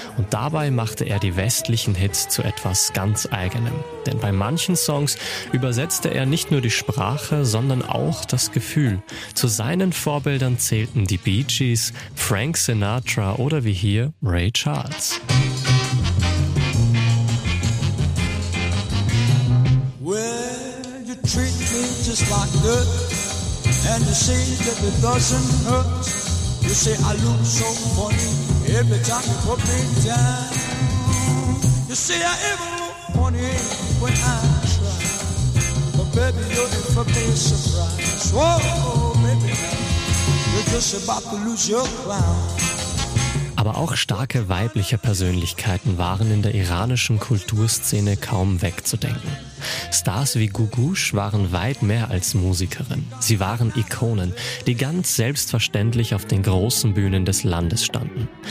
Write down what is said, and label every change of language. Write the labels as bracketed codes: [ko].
[de] Und dabei machte er die westlichen Hits zu etwas ganz Eigenem. Denn bei manchen Songs übersetzte er nicht nur die Sprache, sondern auch das Gefühl. Zu seinen Vorbildern zählten die Bee Gees, Frank Sinatra oder wie hier Ray Charles. [en] Just like dirt, and you say that it doesn't hurt. You say I look so funny every time you put me down. You say I ever look funny when I try, but baby you're in for a surprise. Whoa, baby, you're just about to lose your crown. [de] Aber auch starke weibliche Persönlichkeiten waren in der iranischen Kulturszene kaum wegzudenken. Stars wie Gugush waren weit mehr als Musikerin. Sie waren Ikonen, die ganz selbstverständlich auf den großen Bühnen des Landes standen.